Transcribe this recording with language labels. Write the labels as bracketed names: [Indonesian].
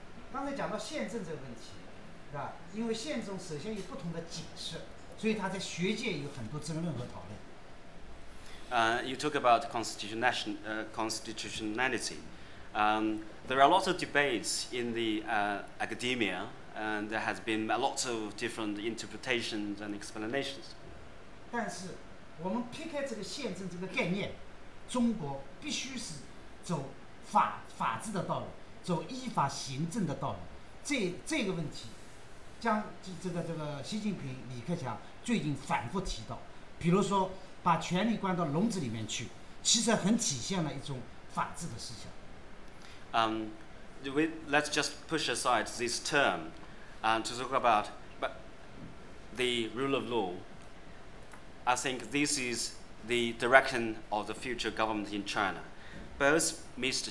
[Chinese] 刚才讲到宪政这个问题，是吧？因为宪政首先有不同的解释，所以他在学界有很多争论和讨论。 [English] You talk about constitutionality. There are lots of debates in the academia, and there has been a lot of different interpretations and explanations. [Chinese] 但是我们撇开这个宪政这个概念，中国必须是走法治的道路，走依法行政的道路。这个问题，将这个习近平、李克强最近反复提到，比如说。把权力关到笼子里面去，其实很体现了一种法治的思想。 [English] Let's just push aside this term, to talk about the rule of law. I think this is the direction of the future government in China. Both Mr.